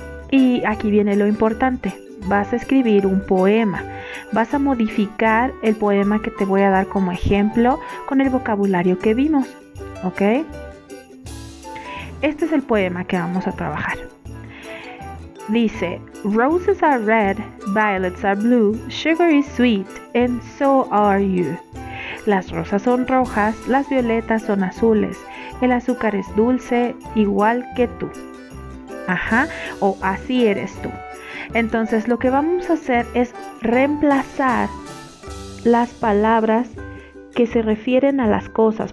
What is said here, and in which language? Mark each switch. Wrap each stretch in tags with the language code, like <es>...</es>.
<es>Y aquí viene lo importante. Vas a escribir un poema. Vas a modificar el poema que te voy a dar como ejemplo con el vocabulario que vimos. ¿Ok? Este es el poema que vamos a trabajar.</es> <en>Dice: Roses are red, violets are blue, sugar is sweet, and so are you.</en> <es>Las rosas son rojas, las violetas son azules, el azúcar es dulce, igual que tú. Así eres tú. Entonces, lo que vamos a hacer es reemplazar las palabras que se refieren a las cosas.</es>